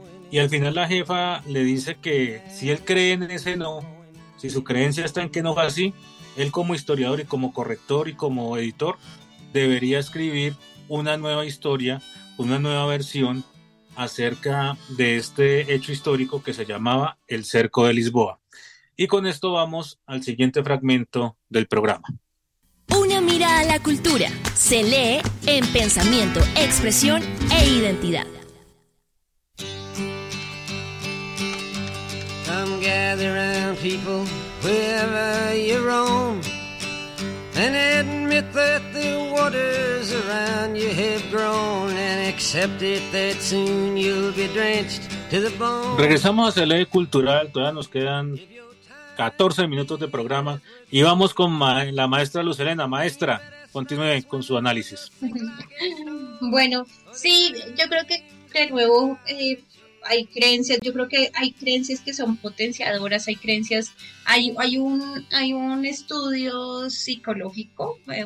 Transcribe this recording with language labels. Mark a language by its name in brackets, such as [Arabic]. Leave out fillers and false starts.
[Spanish] Y al final la jefa le dice que si él cree en ese no, si su creencia está en que no va así, él como historiador y como corrector y como editor debería escribir una nueva historia, una nueva versión acerca de este hecho histórico que se llamaba el Cerco de Lisboa. Y con esto vamos al siguiente fragmento del programa. Una mirada a la cultura se lee en pensamiento, expresión e identidad. [English] Come gather round, people, wherever you roam, and admit that the waters around you have grown, and accept it that soon you'll be drenched to the bone. [Spanish] Regresamos a Cele Cultural, todavía nos quedan 14 minutos de programa y vamos con la maestra Luz Elena. Maestra, continúe con su análisis. Bueno, sí, yo creo que de nuevo hay creencias, yo creo que hay creencias que son potenciadoras, hay creencias, hay un estudio psicológico,